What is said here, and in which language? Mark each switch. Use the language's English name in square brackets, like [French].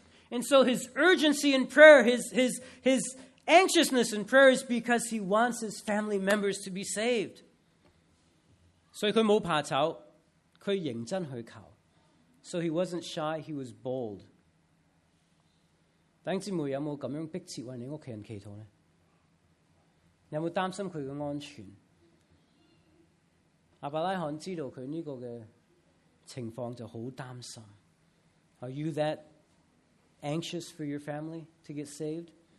[English] And so his urgency in prayer, his anxiousness in prayer is because he wants his family members to be saved. So he didn't run away, he was really. So he wasn't shy, he was bold. [Chinese] 弟兄姊妹，有没有这样迫切为你家人祈祷呢？有没有担心他的安全？亚伯拉罕知道他这个的情况就很担心。 [English] Are you that anxious for your family to get saved?